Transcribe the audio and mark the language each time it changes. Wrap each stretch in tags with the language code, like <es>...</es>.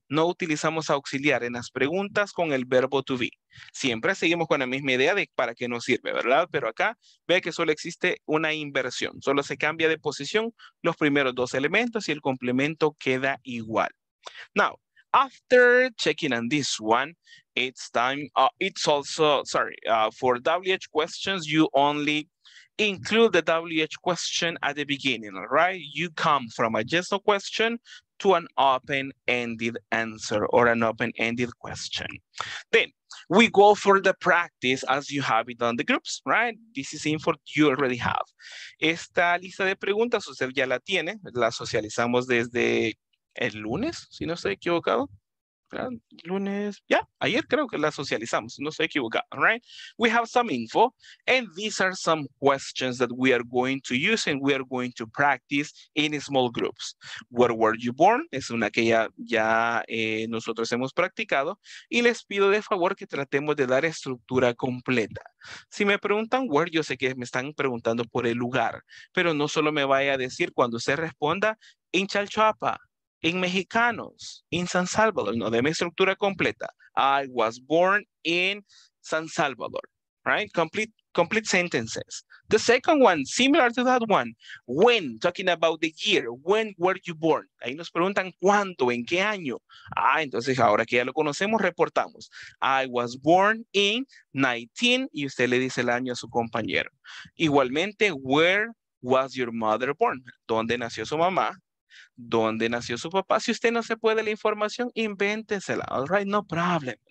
<es>No utilizamos auxiliar en las preguntas con el verbo to be. Siempre seguimos con la misma idea de para qué nos sirve, ¿verdad? Pero acá ve que solo existe una inversión. Solo se cambia de posición los primeros dos elementos y el complemento queda igual.</es> <en>Now, after checking on this one, it's time, for WH questions, you only include the WH question at the beginning, all right? You come from a yes no question to an open-ended answer or an open-ended question. Then we go for the practice as you have it on the groups, right? This is info you already have.</en> <es>Esta lista de preguntas usted ya la tiene, la socializamos desde el lunes, si no estoy equivocado. Lunes, yeah, ayer creo que la socializamos, no estoy equivocado, right?</es> <en>We have some info, and these are some questions that we are going to use and we are going to practice in small groups. Where were you born?</en> <es>Es una que ya nosotros hemos practicado, y les pido de favor que tratemos de dar estructura completa. Si me preguntan where, yo sé que me están preguntando por el lugar, pero no solo me vaya a decir cuando usted responda, en Chalchuapa, in Mexicanos, in San Salvador, no, de mi estructura completa.</es> <en>I was born in San Salvador, right? Complete sentences. The second one, similar to that one, when, talking about the year, when were you born?</en> <es>Ahí nos preguntan cuándo, en qué año. Ah, entonces ahora que ya lo conocemos, reportamos.</es> <en>I was born in 19,</en> <es>y usted le dice el año a su compañero. Igualmente,</es> <en>where was your mother born?</en> <es>¿Dónde nació su mamá? ¿Dónde nació su papá? Si usted no se puede la información, invéntesela.</es> <en>All right, no problem.</en>